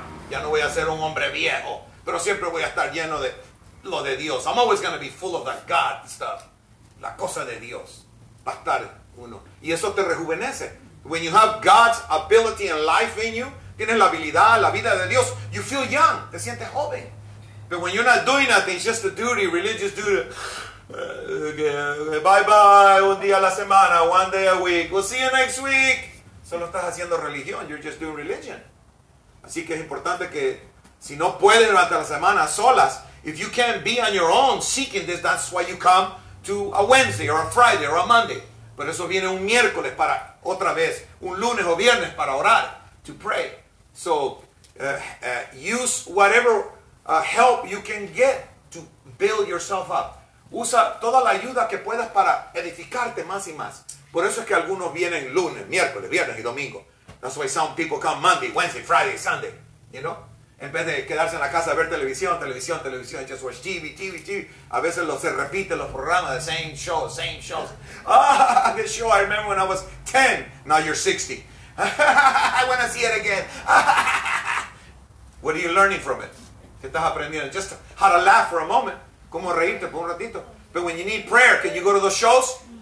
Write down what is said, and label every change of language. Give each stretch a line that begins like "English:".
Spanish: Ya no voy a ser un hombre viejo, pero siempre voy a estar lleno de lo de Dios.
English: I'm always going to be full of that God stuff.
Spanish: La cosa de Dios. Va a estar uno. Y eso te rejuvenece.
English: When you have God's ability and life in you,
Spanish: tienes la habilidad, la vida de Dios,
English: you feel young.
Spanish: Te sientes joven.
English: But when you're not doing nothing, it's just a duty, religious duty. Okay, bye bye.
Spanish: Un día a la semana.
English: One day a week. We'll see you next week.
Spanish: Solo estás haciendo religión.
English: You're just doing religion.
Spanish: Así que es importante que si no puedes durante la semana solas,
English: if you can't be on your own seeking this, that's why you come to a Wednesday or a Friday or a Monday.
Spanish: Por eso viene un miércoles para otra vez, un lunes o viernes para orar,
English: to pray. So use whatever help you can get to build yourself up.
Spanish: Usa toda la ayuda que puedas para edificarte más y más. Por eso es que algunos vienen lunes, miércoles, viernes y domingo.
English: That's why some people come Monday, Wednesday, Friday, Sunday. You know?
Spanish: En vez de quedarse en la casa a ver televisión, televisión, televisión,
English: just watch TV, TV, TV.
Spanish: A veces se repiten los programas,
English: the same show, same shows. Ah, this show I remember when I was 10. Now you're 60. I want to see it again. What are you learning from it?
Spanish: ¿Qué estás aprendiendo?
English: Just how to laugh for a moment.
Spanish: ¿Cómo reírte por un ratito?
English: But when you need prayer, can you go to those shows?